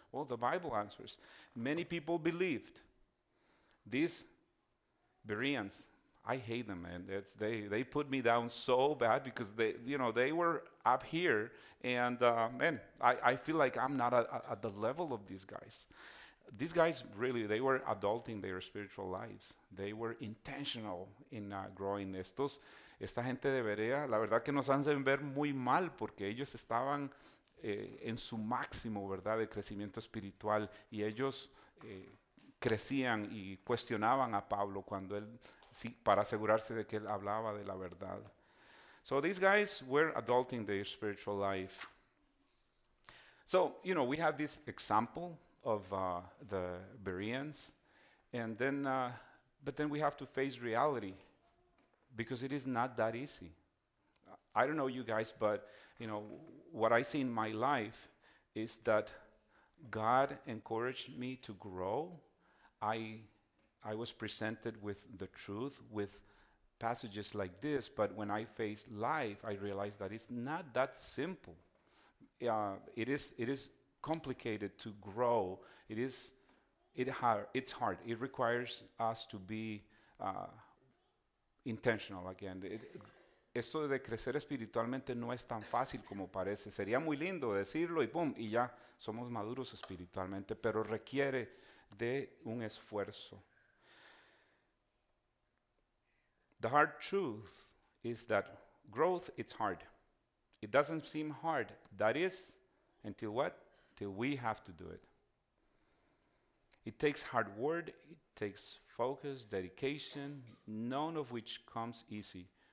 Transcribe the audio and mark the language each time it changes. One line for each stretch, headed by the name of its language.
English: Well, the Bible answers. Many people believed. These Bereans, I hate them, man. They put me down so bad because they were up here. And, I feel like I'm not at the level of these guys. These guys, really, they were adulting their spiritual lives. They were intentional in growing.
Spanish: Esta gente de Berea, la verdad que nos hacen ver muy mal porque ellos estaban en su máximo, ¿verdad?, de crecimiento espiritual. Y ellos crecían y cuestionaban a Pablo cuando él, sí, para asegurarse de que él hablaba de la verdad.
English: So these guys were adulting their spiritual life. So, you know, we have this example of the Bereans, and then but then we have to face reality, because it is not that easy. I don't know you guys, but you know what I see in my life is that God encouraged me to grow. I was presented with the truth with passages like this, but when I face life, I realize that it's not that simple. It is complicated to grow. It's hard. It requires us to be intentional again.
Spanish: Esto de crecer espiritualmente no es tan fácil como parece. Sería muy lindo decirlo y boom, y ya somos maduros espiritualmente, pero requiere de un esfuerzo.
English: The hard truth is that growth, it's hard. It doesn't seem hard. That is, until what? Till we have to do it. It takes hard work, it takes focus, dedication, none of which comes easy.